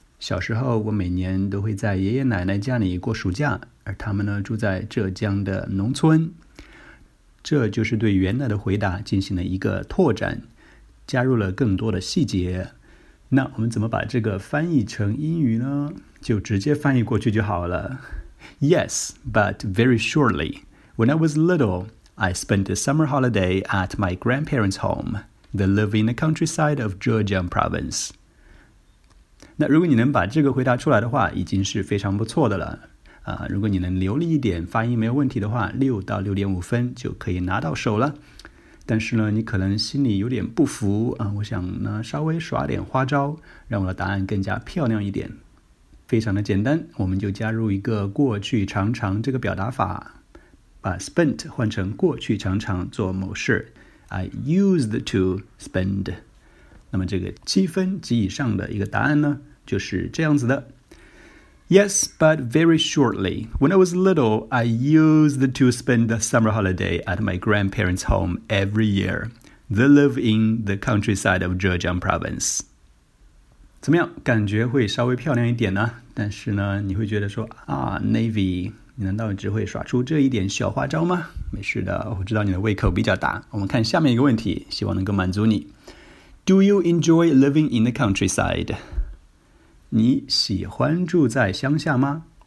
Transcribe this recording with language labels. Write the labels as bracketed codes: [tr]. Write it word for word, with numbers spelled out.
[zh] 小时候我每年都会在爷爷奶奶家里过暑假，而他们呢住在浙江的农村。这就是对原来的回答进行了一个拓展，加入了更多的细节。那我们怎么把这个翻译成英语呢？就直接翻译过去就好了。 [en] Yes, but very surely. When I was little, I spent the summer holiday at my grandparents' home. They live in the countryside of Zhejiang province. [zh] 那如果你能把这个回答出来的话，已经是非常不错的了。啊，如果你能流利一点，发音没有问题的话，六到六点五分就可以拿到手了。但是呢，你可能心里有点不服啊、呃，我想呢稍微耍点花招，让我的答案更加漂亮一点。非常的简单，我们就加入一个过去常常这个表达法，把 spent 换成过去常常做某事 ， [en] I used to spend。 [zh] 那么这个七分及以上的一个答案呢，就是这样子的。 [en] Yes, but very shortly. When I was little, I used to spend the summer holiday at my grandparents' home every year. They live in the countryside of Zhejiang province. [zh] 怎么样？感觉会稍微漂亮一点呢？但是呢，你会觉得说啊 ，Navy， 你难道只会耍出这一点小花招吗？没事的，我知道你的胃口比较大。我们看下面一个问题，希望能够满足你。 [en] Do you enjoy living in the countryside? [zh] 你喜欢住在乡下吗？